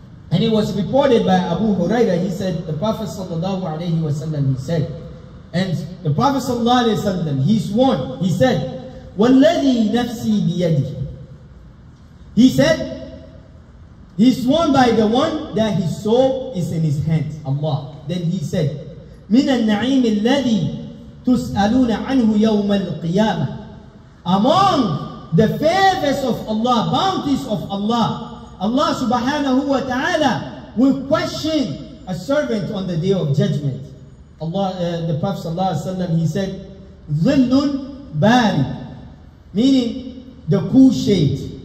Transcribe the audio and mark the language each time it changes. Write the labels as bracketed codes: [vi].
[en] And it was reported by Abu Hurairah. He said, the Prophet sallallahu alayhi wa sallam, he said, and the Prophet sallallahu alayhi wa sallam, he sworn, he said, [ar] وَالَّذِي نَفْسِي بِيَدِهِ. [en] He said, he sworn by the one that his soul is in his hands, Allah. Then he said, [ar] مِنَ النَّعِيمِ الَّذِي تُسْأَلُونَ عَنْهُ يَوْمَ الْقِيَامَةِ. [en] Among the favors of Allah, bounties of Allah, Allah subhanahu wa ta'ala will question a servant on the day of judgment. Allah, the Prophet sallallahu alayhi wa sallam, he said, [ar] ظِلٌّ بَارِدٌ, [en] meaning the cool shade.